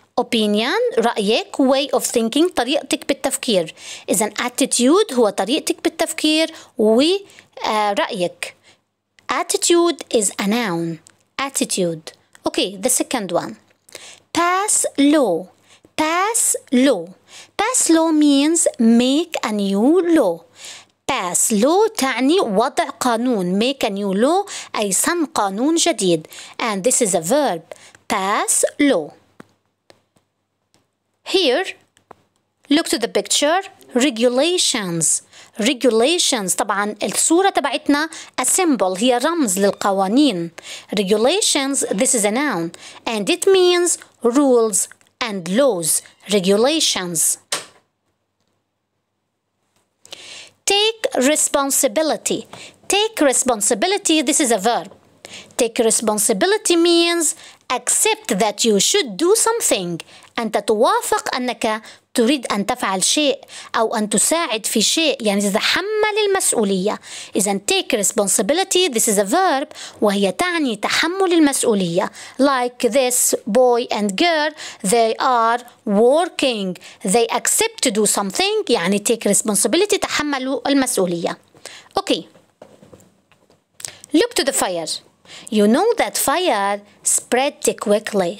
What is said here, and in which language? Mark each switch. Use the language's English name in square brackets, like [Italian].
[English] Opinion [Arabic] رأيك، [English] way of thinking [Arabic] طريقتك بالتفكير. إذا attitude هو طريقتك بالتفكير ورأيك. [English] Attitude is a noun. Attitude. Okay, the second one. Pass law. Pass law. Pass law means make a new law. Pass law [Arabic] تعني وضع قانون. [English] Make a new law [Arabic] أي صنع قانون جديد. [English] And this is a verb. Pass law. Here, look to the picture. Regulations. Regulations. [Arabic] طبعا الصورة تبعتنا [English] a symbol. [Arabic] هي رمز للقوانين. [English] Regulations. This is a noun. And it means rules and laws. Regulations. Take responsibility. Take responsibility. This is a verb. Take responsibility means accept that you should do something. [Arabic] أن تتوافق أنك تريد أن تفعل شيء أو أن تساعد في شيء. يعني تتحمل المسؤولية. [English] إذا take responsibility. This is a verb. [Arabic] وهي تعني تحمل المسؤولية. [English] Like this boy and girl. They are working. They accept to do something. يعني take responsibility. [Arabic] تحملوا المسؤولية. [English] Okay. Look to the fire. You know that fire spread quickly.